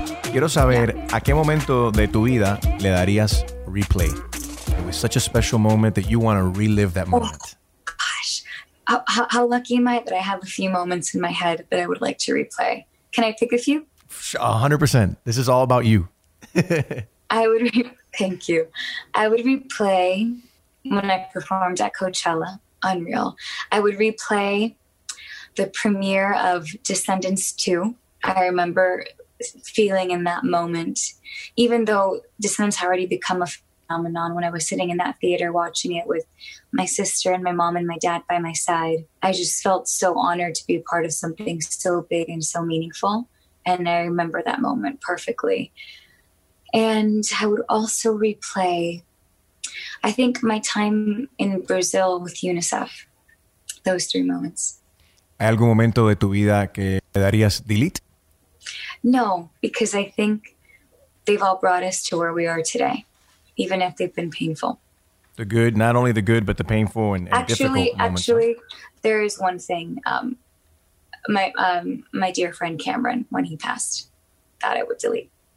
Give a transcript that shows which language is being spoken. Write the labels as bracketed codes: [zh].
[es] Quiero saber, ¿a qué momento de tu vida le darías replay? [en] It was such a special moment that you want to relive that moment. Oh, gosh. How lucky am I that I have a few moments in my head that I would like to replay? Can I pick a few? 100%. This is all about you. Thank you. I would replay when I performed at Coachella. Unreal. I would replay the premiere of Descendants 2. I remember feeling in that moment, even though Descendants had already become a phenomenon, when I was sitting in that theater watching it with my sister and my mom and my dad by my side, I just felt so honored to be a part of something so big and so meaningful. And I remember that moment perfectly. And I would also replay, I think, my time in Brazil with UNICEF, those three moments. [es] ¿Hay algún momento de tu vida que te darías delete? [en] No, because I think they've all brought us to where we are today, even if they've been painful. The good, not only the good, but the painful and actually, difficult moments. Actually, there is one thing. My dear friend Cameron, when he passed, thought I would delete.